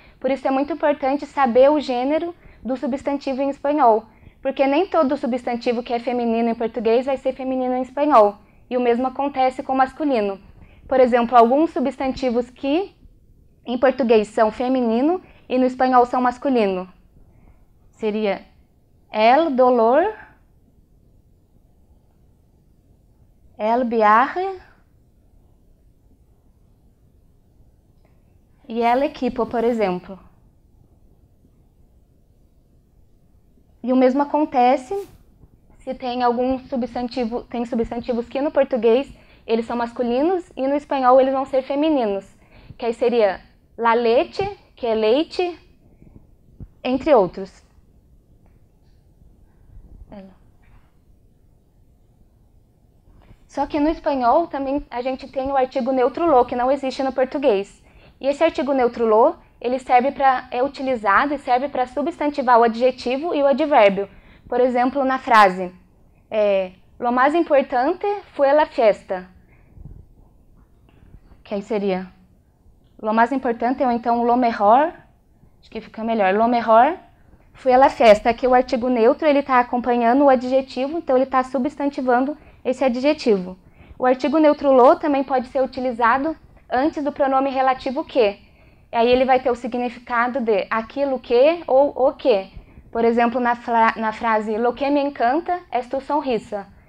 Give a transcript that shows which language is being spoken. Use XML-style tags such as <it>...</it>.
<pt>Por isso é muito importante saber o gênero do substantivo em espanhol, porque nem todo substantivo que é feminino em português vai ser feminino em espanhol. E o mesmo acontece com o masculino. Por exemplo, alguns substantivos que em português são feminino e no espanhol são masculino. Seria</pt> <es>el dolor, el viaje</es> <pt>e</pt> <es>el equipo,</es> <pt>por exemplo. E o mesmo acontece se tem algum substantivo, tem substantivos que no português eles são masculinos e no espanhol eles vão ser femininos, que aí seria</pt> <es>la leche,</es> <pt>que é leite, entre outros. Só que no espanhol também a gente tem o artigo neutro lo, que não existe no português. E esse artigo neutro lo, ele serve para, é utilizado e serve para substantivar o adjetivo e o advérbio. Por exemplo, na frase</pt> <es>lo más importante fue la fiesta.</es> <pt>Que aí seria</pt> <es>lo más importante,</es> <pt>ou então</pt> <es>lo mejor,</es> <pt>acho que fica melhor,</pt> <es>lo mejor fue la fiesta.</es> <pt>Aqui o artigo neutro ele está acompanhando o adjetivo, então ele está substantivando esse adjetivo. O artigo neutro lo também pode ser utilizado antes do pronome relativo que. Aí ele vai ter o significado de aquilo que ou o que. Por exemplo, na frase</pt> <es>Lo que me encanta es tu sonrisa.</es>